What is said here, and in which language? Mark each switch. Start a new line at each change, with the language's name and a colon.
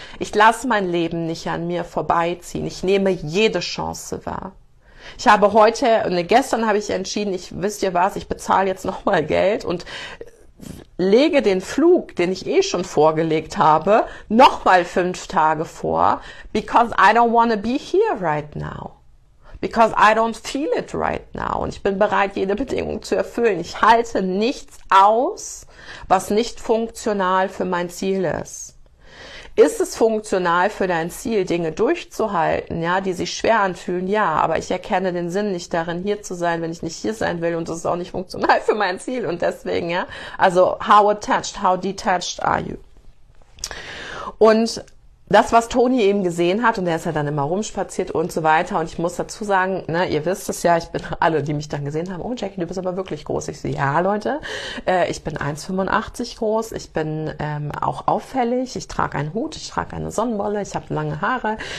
German: Ich lasse mein Leben nicht an mir vorbeiziehen. Ich nehme jede Chance wahr. Ich habe heute, und gestern habe ich entschieden, wisst ihr was, ich bezahle jetzt nochmal Geld und lege den Flug, den ich eh schon vorgelegt habe, nochmal 5 Tage vor,
English: because I don't want to be here right now. Because I don't feel it right now.
German: Und ich bin bereit, jede Bedingung zu erfüllen. Ich halte nichts aus, was nicht funktional für mein Ziel ist. Ist es funktional für dein Ziel, Dinge durchzuhalten, ja, die sich schwer anfühlen? Ja, aber ich erkenne den Sinn nicht darin, hier zu sein, wenn ich nicht hier sein will. Und das ist auch nicht funktional für mein Ziel. Und deswegen, ja.
English: Also, how attached, how detached are you? Und
German: Das, was Toni eben gesehen hat, und er ist ja dann immer rumspaziert und so weiter. Und ich muss dazu sagen, ne, ihr wisst es ja, ich bin alle, die mich dann gesehen haben, oh Jackie, du bist aber wirklich groß. Ich so, ja, Leute, ich bin 1,85 groß, ich bin auch auffällig, ich trage einen Hut, ich trage eine Sonnenbrille, ich habe lange Haare.